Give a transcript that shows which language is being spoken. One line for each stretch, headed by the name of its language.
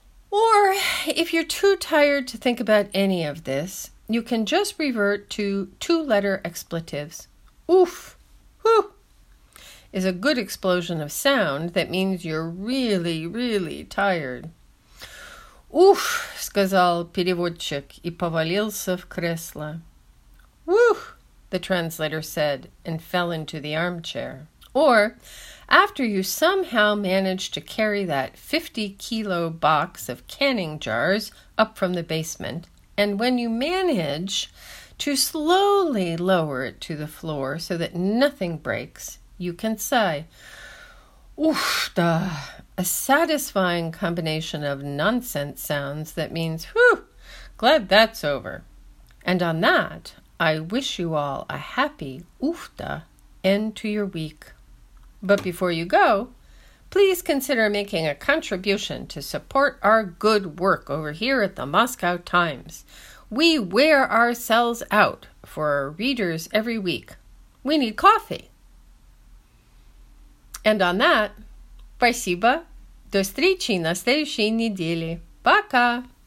English: Or, if you're too tired to think about any of this, you can just revert to two-letter expletives. Oof, whoo, is a good explosion of sound that means you're really, really tired.
Russian: Oof, сказал переводчик и повалился в кресло.
English: Woof, the translator said and fell into the armchair. Or, after you somehow managed to carry that 50-kilo box of canning jars up from the basement, and when you manage to slowly lower it to the floor so that nothing breaks, you can sigh.
Russian: Oof, da.
English: A satisfying combination of nonsense sounds that means, whew, glad that's over. And on that, I wish you all a happy, oofta, end to your week. But before you go, please consider making a contribution to support our good work over here at the Moscow Times. We wear ourselves out for our readers every week. We need coffee. And on that,
Russian: спасибо. До встречи на следующей неделе. Пока!